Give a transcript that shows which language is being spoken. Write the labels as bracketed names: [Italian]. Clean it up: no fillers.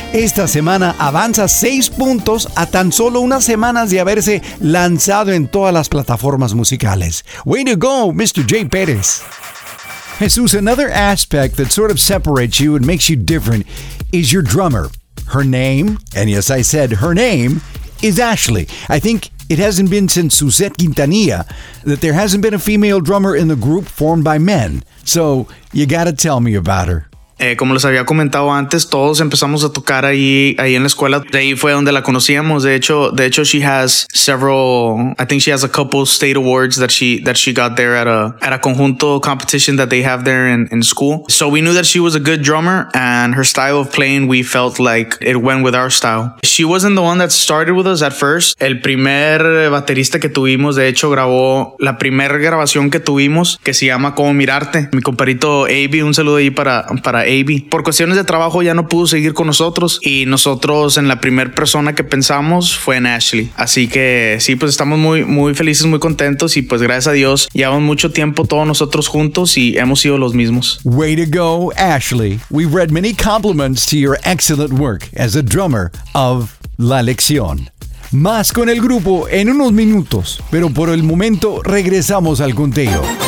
[Spanish] Esta semana avanza 6 puntos a tan solo unas semanas de haberse lanzado en todas las plataformas musicales. [English] Way to go, Mr. Jay Perez. Jesus, another aspect that sort of separates you and makes you different is your drummer. Her name, and yes, I said her name, is Ashley. I think it hasn't been since Suzette Quintanilla that there hasn't been a female drummer in the group formed by men. So, you gotta tell me about her. [Spanish] Como les había comentado antes, todos empezamos a tocar ahí en la escuela. De ahí fue donde la conocíamos. De hecho, [English] she has a couple state awards that she got there at a conjunto competition that they have there in school. So we knew that she was a good drummer, and her style of playing, we felt like it went with our style. She wasn't the one that started with us at first. [Spanish] El primer baterista que tuvimos, de hecho, grabó la primera grabación que tuvimos, que se llama Cómo Mirarte. Mi compadrito AB, un saludo ahí para AB. Por cuestiones de trabajo ya no pudo seguir con nosotros, y nosotros en la primera persona que pensamos fue en Ashley. Así que sí, pues estamos muy, muy felices, muy contentos, y pues gracias a Dios llevamos mucho tiempo todos nosotros juntos y hemos sido los mismos. [English] Way to go, Ashley. We've read many compliments to your excellent work as a drummer of La Lección. [Spanish] Más con el grupo en unos minutos, pero por el momento regresamos al conteo.